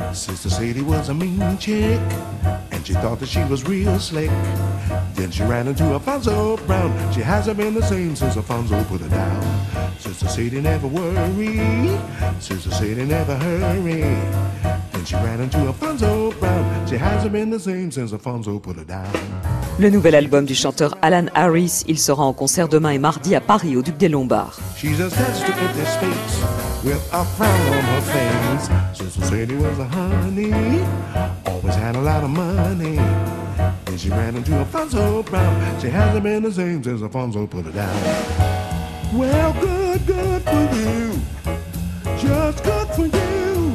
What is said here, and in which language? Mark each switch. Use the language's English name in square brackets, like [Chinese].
[English] Sister Sadie was a mean chick. She thought that she was real slick. Then she ran into Alfonso Brown. She hasn't been the same since Alfonso put her down. Sister Sadie never worry. Sister Sadie never hurry. She ran into Alfonso Brown. She hasn't been the same since Alfonso put her down. [French] Le nouvel album du chanteur Alan Harris, il sera en concert demain et mardi à Paris au Duc des Lombards. [English] She's a test of this face with a frown on her face. Sister Sadie was a honey, always had a lot of money. Then she ran into Alfonso Brown. She hasn't been the same since Alfonso put her down. Well, good, good for you. Just good for you.